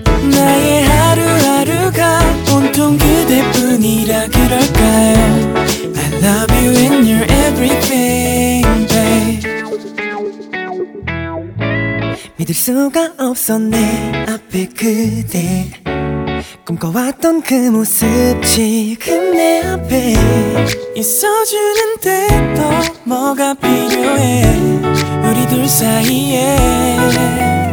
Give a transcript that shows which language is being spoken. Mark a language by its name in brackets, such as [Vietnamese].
[Korean] 나의 하루하루가 온통 그대뿐이라 그럴까요? [English] I love you and your everything, babe. [Korean] 믿을 수가 없어 내 앞에 그대. 꿈꿔왔던 그 모습 지금 내 앞에 있어주는데 또 뭐가 필요해 우리 둘 사이에.